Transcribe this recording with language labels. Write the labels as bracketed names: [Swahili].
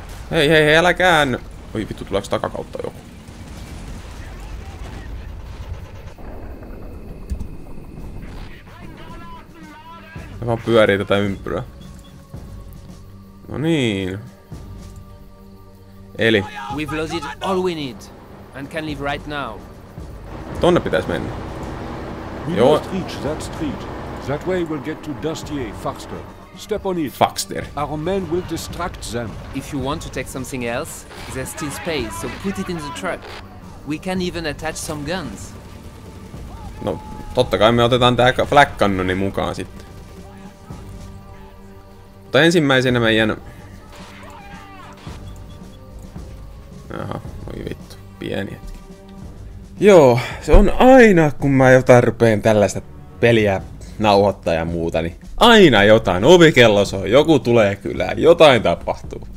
[Finnish] Hei hei hei, älä käänny! Oi vittu, tuleeks takakautta joku? Mä vaan pyörii tätä ympyrää. No niin. Eli [English] we've lost all we need and can leave right now. [Finnish] Tonne pitäis mennä. [English] We [Finnish] joo. [English] Must reach that street. That way we'll get to Dustier faster. Step on it. Faxter. Our men will distract them. If you want to take something else, there's still space, so put it in the truck. We can even attach some guns. [Finnish] No, totta kai me otetaan tää flakkannoni mukaan sitten. Mutta ensimmäisenä meidän... Aha, oi vittu, pieni hetki. Joo, se on aina, kun mä jotain rupeen tällaista peliä nauhoittaa ja muuta, niin aina jotain, ovikello soi, joku tulee kylään, jotain tapahtuu.